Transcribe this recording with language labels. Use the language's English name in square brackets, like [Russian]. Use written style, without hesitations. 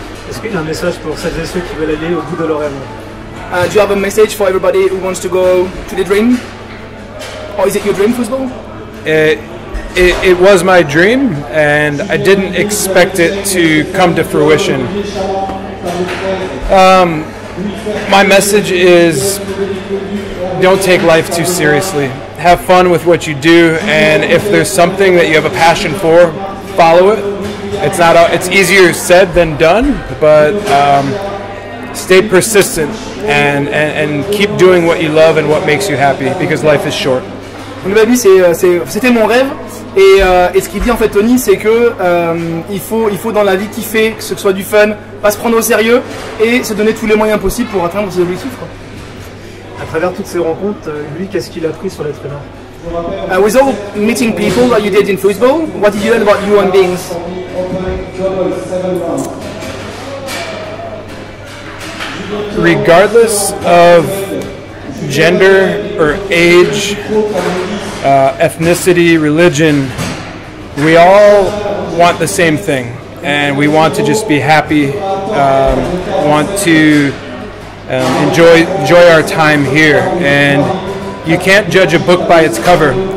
[French] Est-ce qu'il y a un message pour celles et ceux qui veulent aller au bout de leur rêve? [English] Do you have a message for everybody who wants to go to the dream? Or is it your dream football? It was my dream, and I didn't expect it to come to fruition. My message is, don't take life too seriously. Have fun with what you do, and if there's something that you have a passion for, follow it. It's easier said than done, but stay persistent and keep doing what you love and what makes you happy, because life is short. [French] C'était mon rêve. Et ce qu'il dit en fait Tony, c'est que il faut dans la vie kiffer, que ce soit du fun, pas se prendre au sérieux et se donner tous les moyens possibles pour atteindre ses objectifs. À travers toutes ces rencontres, lui, qu'est-ce qu'il a appris sur l'être humain? [English] With all meeting people that you did in football, what did you learn about human beings? Regardless of gender or age. Ethnicity, religion, we all want the same thing, and we want to just be happy, want to enjoy our time here, and you can't judge a book by its cover.